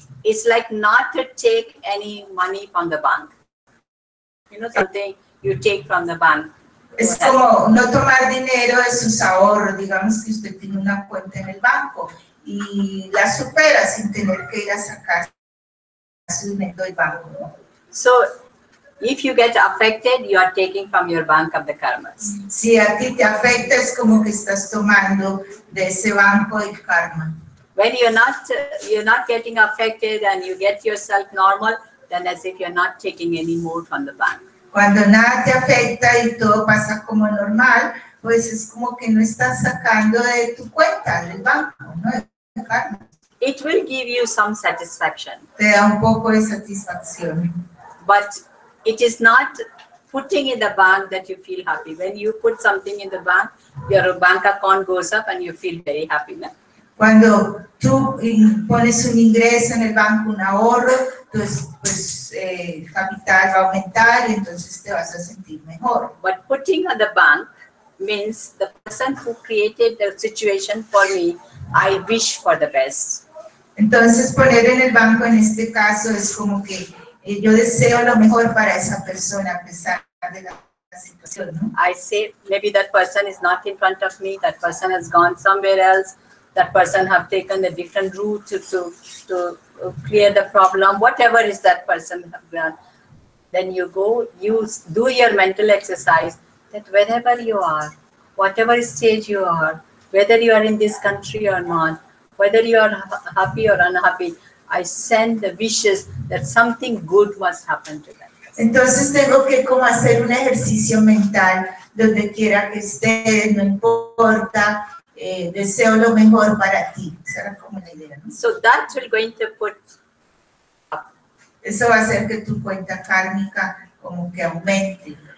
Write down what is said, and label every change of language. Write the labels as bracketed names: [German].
[English] It's like not to take any money from the bank. You know something you take from the bank. [Spanish] Es como no tomar dinero de sus ahorros. Digamos que usted tiene una cuenta en el banco y la supera sin tener que ir a sacar su dinero del banco. [English] So, if you get affected, you are taking from your bank of the karmas. [Spanish] Si a ti te afecta, es como que estás tomando de ese banco el karma. [English] When you're not getting affected and you get yourself normal, then as if you're not taking any more from the bank. [Spanish] Cuando nada te afecta y todo pasa como normal, pues es como que no estás sacando de tu cuenta, del banco, ¿no? De karma. [English] It will give you some satisfaction. [Spanish] Te da un poco de satisfacción. [English] But it is not putting in the bank that you feel happy. When you put something in the bank, your bank account goes up and you feel very happy, ¿no? [Spanish] Cuando tú pones un ingreso en el banco, un ahorro, pues capital va a aumentar y entonces te vas a sentir mejor. [English] But putting on the bank means the person who created the situation for me, I wish for the best. [Spanish] Entonces poner en el banco en este caso es como que yo deseo lo mejor para esa persona a pesar de la situación, ¿no? [English] I say maybe that person is not in front of me, that person has gone somewhere else. That person have taken a different route to clear the problem. Whatever is that person have done, then you go, you do your mental exercise that wherever you are, whatever stage you are, whether you are in this country or not, whether you are happy or unhappy, I send the wishes that something good must happen to them. [Spanish] Entonces tengo que como hacer un ejercicio mental donde quiera que esté, no importa. Deseo lo mejor para ti. Será como la idea, ¿no? [English] So that will going to put up. [Spanish] Eso va a hacer que tu cuenta kármica como que aumente.